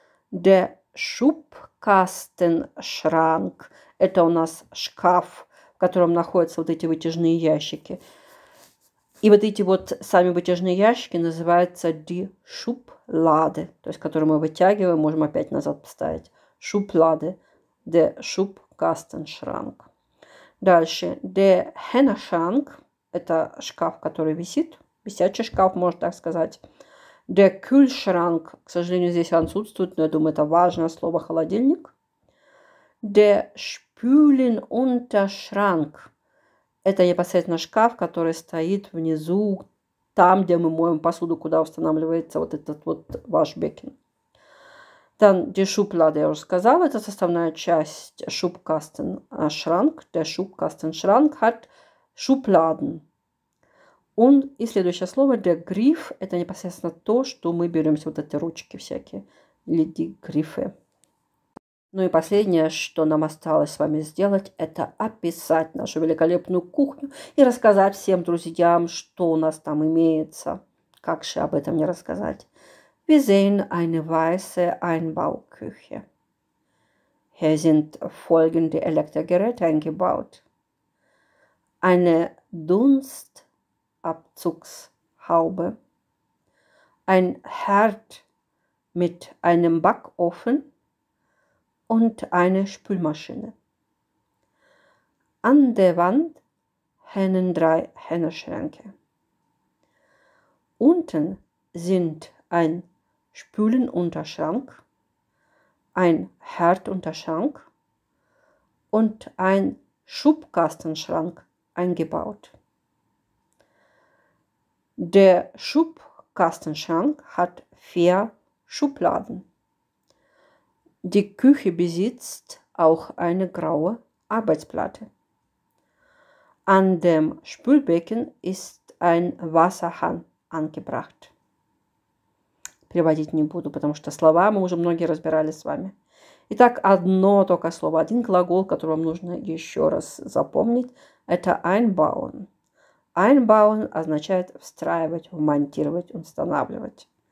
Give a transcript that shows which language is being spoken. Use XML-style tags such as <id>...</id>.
<de>Der Schubkastenschrank.</de> <ru>Это у нас шкаф, в котором находятся вот эти вытяжные ящики. И вот эти вот сами вытяжные ящики называются die Schublade. То есть, которые мы вытягиваем, можем опять назад поставить.</ru> <de>Schublade. Der Schubkastenschrank.</de> <ru>Дальше. Der Hängeschrank. Это шкаф, который висит. Висячий шкаф, можно так сказать. Der Kühlschrank, к сожалению, здесь отсутствует, но я думаю, это важное слово, холодильник. Der Spülenunterschrank, это непосредственно шкаф, который стоит внизу, там, где мы моем посуду, куда устанавливается вот этот вот ваш бекен.</ru> <de>Dann die Schublade,</de> <ru>я уже сказала, это составная часть Schubkastenschrank.</ru> <de>Der Schubkastenschrank hat Schubladen.</de> <ru>И следующее слово, der Griff, это непосредственно то, что мы беремся, вот эти ручки всякие, или die Griffe. Ну и последнее, что нам осталось с вами сделать, это описать нашу великолепную кухню и рассказать всем друзьям, что у нас там имеется. Как же об этом не рассказать?</ru> <de>Wir sehen eine weiße Einbauküche. Hier sind folgende Elektrogeräte eingebaut. Eine Dunst Abzugshaube, ein Herd mit einem Backofen und eine Spülmaschine. An der Wand hängen drei Hängeschränke. Unten sind ein Spülenunterschrank, ein Herdunterschrank und ein Schubkastenschrank eingebaut. Der Schubkastenschrank hat 4 Schubladen. Die Küche besitzt auch eine graue Arbeitsplatte. An dem Spülbecken ist ein Wasserhahn angebracht.</de> <ru>Переводить не буду, потому что слова мы уже многие разбирали с вами. Итак, одно только слово, один глагол, который вам нужно еще раз запомнить, это einbauen. Einbauen означает встраивать, вмонтировать, устанавливать.</ru>